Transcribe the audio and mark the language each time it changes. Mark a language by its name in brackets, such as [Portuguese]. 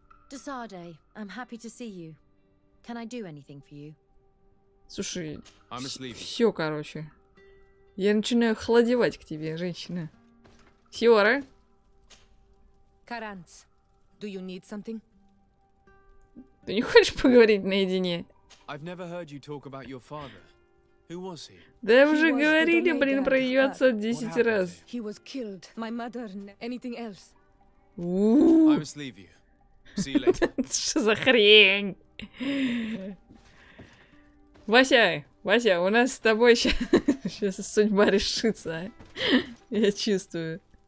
[English] Десарде, I'm happy to see you. Can I do anything for you? [Russian] Слушай, все, короче. Я начинаю охладевать к тебе, женщина. Сиора. [English] Каранс, do you need something? [Russian] Ты не хочешь поговорить наедине? [English] I've never heard you talk about your father. Who was he? [Russian] Да я уже говорили, блин, про ее отца 10 раз. [English] He was killed. My mother and anything else. I must leave you. See you later. [Russian] Что за хрень? Вася, Вася, у нас с тобой сейчас судьба решится. Я чувствую.